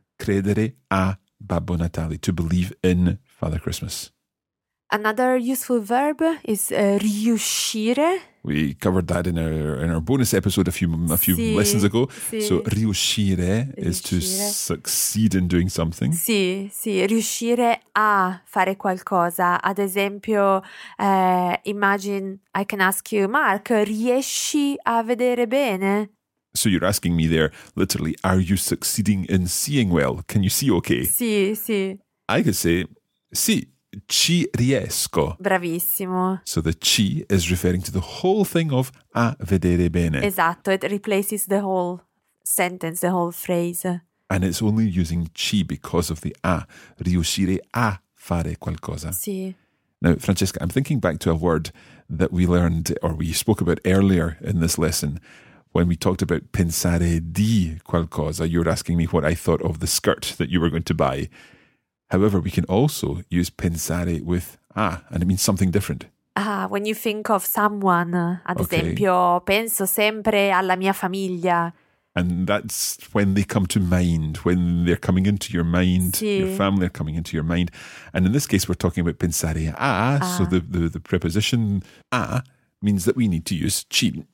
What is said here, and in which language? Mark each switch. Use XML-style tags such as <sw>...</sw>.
<it>Credere a Babbo Natale,</it> <en>to believe in Father Christmas. Another useful verb is riuscire. We covered that in our bonus episode a few lessons ago. So riuscire is to succeed in doing something.</en> <it>Sì, riuscire a fare qualcosa. Ad esempio,</it> <en>imagine I can ask you,</en> <it>Mark, riesci a vedere bene?</it> <en>So you're asking me there, literally, are you succeeding in seeing well? Can you see okay?</en> <it>Sì.</it> <en>I could say,</en> <it>sì. Ci riesco. Bravissimo.</it> <en>So the ci is referring to the whole thing of</en> <it>a vedere bene. Esatto,</it> <en>it replaces the whole sentence, the whole phrase. And it's only using ci because of the a.</en> <it>Riuscire a fare qualcosa. Sì.</it> <en>Now, Francesca, I'm thinking back to a word that we learned or we spoke about earlier in this lesson. When we talked about pensare di qualcosa, you were asking me what I thought of the skirt that you were going to buy. However, we can also use pensare with a, and it means something different. When you think of someone,</en> <it>ad esempio, penso sempre alla mia famiglia.</it> <en>And that's when they come to mind, when they're coming into your mind, your family are coming into your mind. And in this case, we're talking about pensare a, so the preposition a means that we need to use ci.</en>